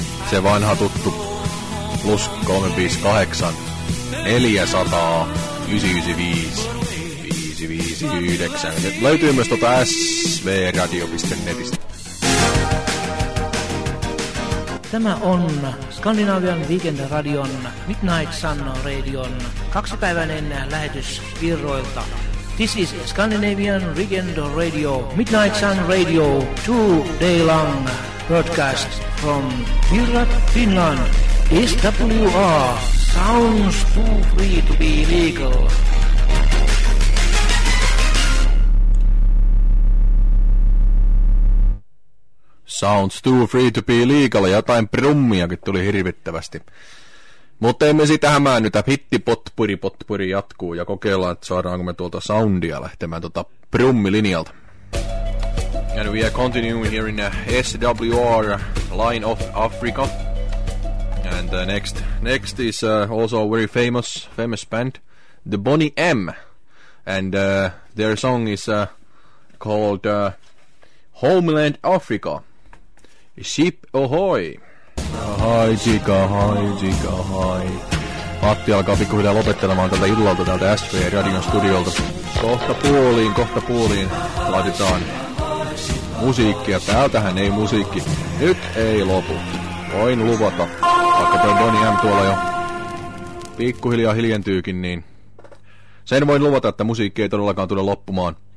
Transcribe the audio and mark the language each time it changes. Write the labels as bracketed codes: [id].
[fi] Se vanha tuttu plus 358 499 Se löytyy myös svradio.netistä. Tämä on Skandinavian Weekend Radion Midnight Sun Radion kaksipäiväinen lähetys Virroilta. [en] This is Scandinavian Weekend Radio Midnight Sun Radio 2-day long broadcast from Virra, Finland. SWR sounds too free to be legal. Sounds too free to be legal. [fi] Jotain brummiakin tuli hirvittävästi. Mutta emme sitä hämäännytä. Hitti potpuri jatkuu ja kokeillaan, että saadaanko me tuolta soundia lähtemään brummilinjalta. [en] And we are continuing here in SWR Line of Africa. And next is also a very famous band, the Bonnie M, and their song is called Homeland Africa, Ship Ahoy. Ahoy, chica, ahoy, chica, ahoy. [fi] Matti alkaa pikkuhiljaa lopettelemaan tältä illalta täältä SV-radion studiolta. Kohta puoliin laitetaan musiikkia. Täältähän ei musiikki. Nyt ei lopu. Voin luvata, vaikka toi Bonnie M tuolla jo pikkuhiljaa hiljentyykin, niin sen voin luvata, että musiikki ei todellakaan tule loppumaan.